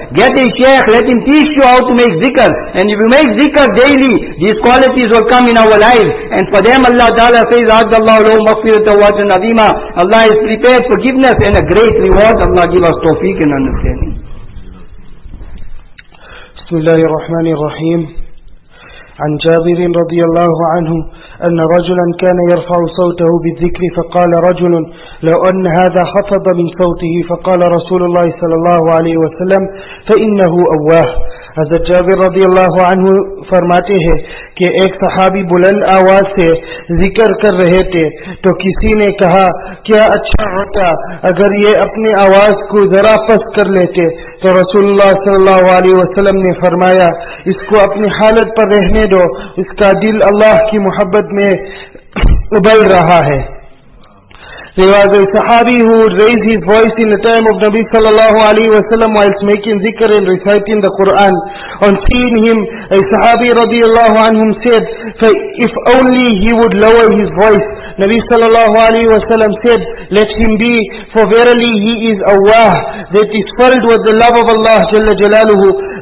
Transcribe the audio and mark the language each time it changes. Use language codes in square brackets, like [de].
[en] Get a sheikh, let him teach you how to make zikr. And if you make zikr daily, these qualities will come in our lives. And for them, Allah Ta'ala says, Allah has prepared forgiveness and a great reward. Allah give us tawfiq and understanding. [ar] Bismillahir Rahmanir Rahim. عن جابر رضي الله عنه أن رجلا كان يرفع صوته بالذكر فقال رجل لو أن هذا خفض من صوته فقال رسول الله صلى الله عليه وسلم فإنه أواه. [ur] حضرت جابر رضی اللہ عنہ فرماتے ہیں کہ ایک صحابی بلند آواز سے ذکر کر رہے تھے تو کسی نے کہا کیا اچھا ہوتا اگر یہ اپنی آواز کو ذرا پست کر لیتے. تو رسول اللہ صلی اللہ علیہ وسلم نے فرمایا اس کو اپنی حالت پر رہنے دو, اس کا دل اللہ کی محبت میں ابل رہا ہے. [en] There was a Sahabi who would raise his voice in the time of Nabi sallallahu alaihi wasallam whilst making zikr and reciting the Quran. On seeing him, a Sahabi radiallahu anhum said, if only he would lower his voice. Nabi sallallahu alaihi wasallam said, let him be, for verily he is Allah that is filled with the love of Allah jalla jalaluhu.